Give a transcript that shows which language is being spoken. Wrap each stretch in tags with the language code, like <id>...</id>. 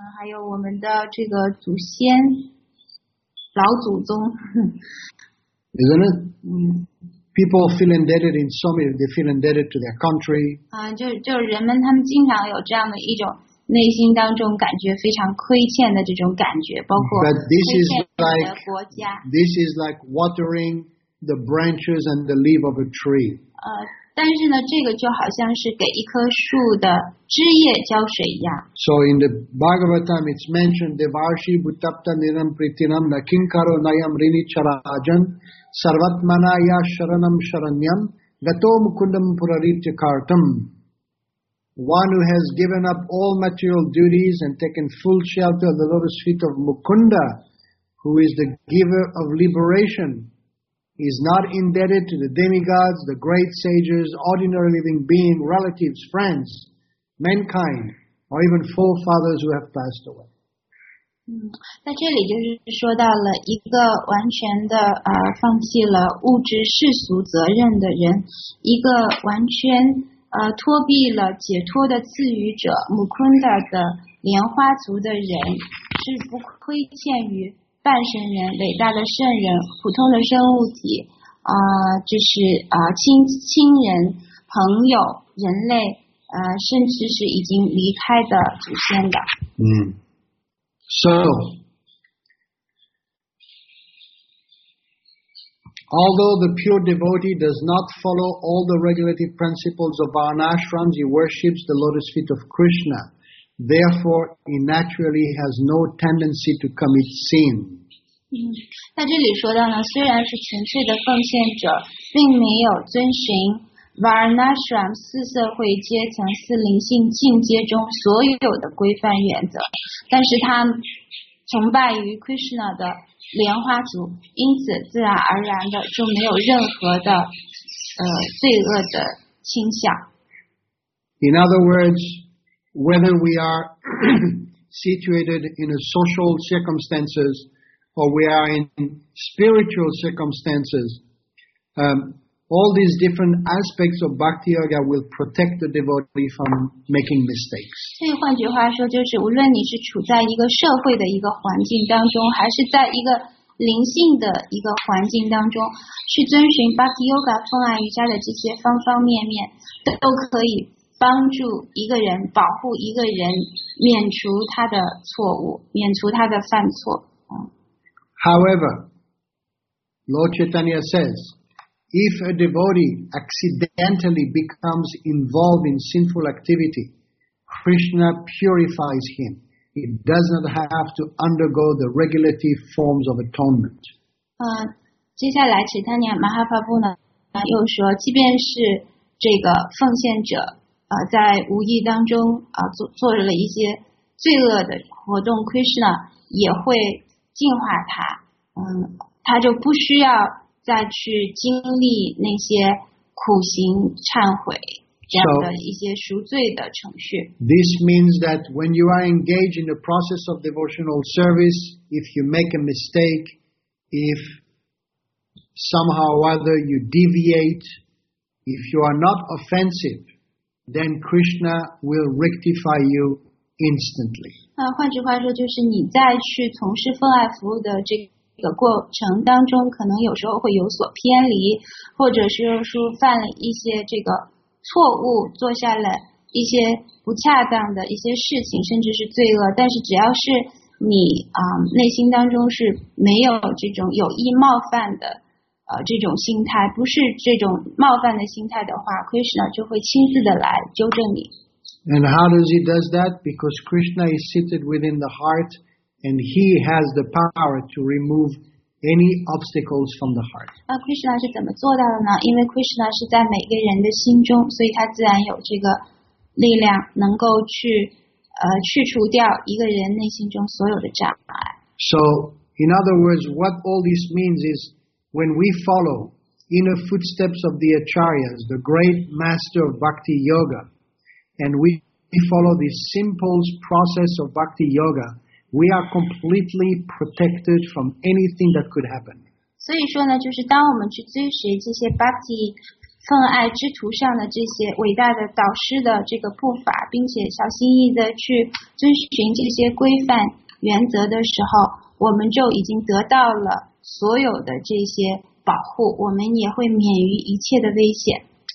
<zh>还有我们的这个祖先、老祖宗。</zh> <en>Isn't it? People feel indebted in so many. They feel indebted to their country.</en> <zh>就人们他们经常有这样的一种。内心当中感觉非常亏欠的这种感觉，包括亏欠你的国家。</zh> <en>This is like watering the branches and the leaf of a tree.</en> <zh>但是呢，这个就好像是给一棵树的枝叶浇水一样。</zh> <en>So in the Bhagavatam, it's mentioned</en> <sa>Devarshi Bhutapta Niram Pritinam Nakinkaro Nayam Rini Charajan Sarvatmana Ya Sharanam Sharanyam Gato Mukundam Puraritya Kartam.</sa> <en>One who has given up all material duties and taken full shelter of the lotus feet of Mukunda, who is the giver of liberation, is not indebted to the demigods, the great sages, ordinary living beings, relatives, friends, mankind, or even forefathers who have passed away.</en> <zh>在这里就是说到了一个完全的放弃了物质世俗责任的人，一个完全脱避了解脱的赐予者 Mukunda 的莲花族的人，是不亏欠于半神人、伟大的圣人、普通的生物体，就是亲人、朋友、人类，甚至是已经离开的祖先的。</zh> <en>So although the pure devotee does not follow all the regulative principles of varnashrams, he worships the lotus feet of Krishna. Therefore, he naturally has no tendency to commit sin.</en> <zh>在这里说到呢，虽然是纯粹的奉献者，并没有遵循 varnashram 四社会阶层四灵性境界中所有的规范原则，但是他崇拜于 Krishna 的莲花族，因此自然而然的就没有任何的罪恶的倾向。</zh> <en>In other words, whether we are situated in a social circumstances or we are in spiritual circumstances, all these different aspects of Bhakti Yoga will protect the devotee from making mistakes.</en> <zh>所以换句话说，就是无论你是处在一个社会的一个环境当中，还是在一个灵性的一个环境当中，去遵循 Bhakti Yoga 通达瑜伽的这些方方面面，都可以帮助一个人，保护一个人，免除他的错误，免除他的犯错。</zh> <en>However, Lord Chaitanya says, if a devotee accidentally becomes involved in sinful activity, Krishna purifies him. He does not have to undergo the regulative forms of atonement.</en> <zh>接下来 Chaitanya Mahaprabhu 呢又说，即便是这个奉献者在无意当中做了一些罪恶的活动， Krishna 也会净化他。他就不需要再去经历那些苦行忏悔这样的一些赎罪的程序。</zh> <en>So, this means that when you are engaged in the process of devotional service, if you make a mistake, if somehow or other you deviate, if you are not offensive, then Krishna will rectify you instantly.</en> <zh>换句话说就是你再去从事奉爱服务的这个这个过程当中，可能有时候会有所偏离，或者是说犯了一些这个错误，做下了一些不恰当的一些事情，甚至是罪恶。但是只要是你内心当中是没有这种有意冒犯的这种心态，不是这种冒犯的心态的话， Krishna 就会亲自的来纠正你。</zh> <en>And how does he does that? Because Krishna is seated within the heart. And he has the power to remove any obstacles from the heart.</en> <zh>Krishna 是怎么做到的呢？因为 Krishna 是在每个人的心中，所以他自然有这个力量，能够去去除掉一个人内心中所有的障碍。</zh> <en>So, in other words, what all this means is when we follow in the footsteps of the Acharyas, the great master of Bhakti Yoga, and we follow this simple process of Bhakti Yoga. We are completely protected from anything that could happen.</en> <zh>所以说呢，就是当我们去追随这些 Bhakti 奉爱之途上的这些伟大的导师的这个步伐，并且小心翼翼的去遵循这些规范原则的时候，我们就已经得到了所有的这些保护，我们也会免于一切的危险。</zh>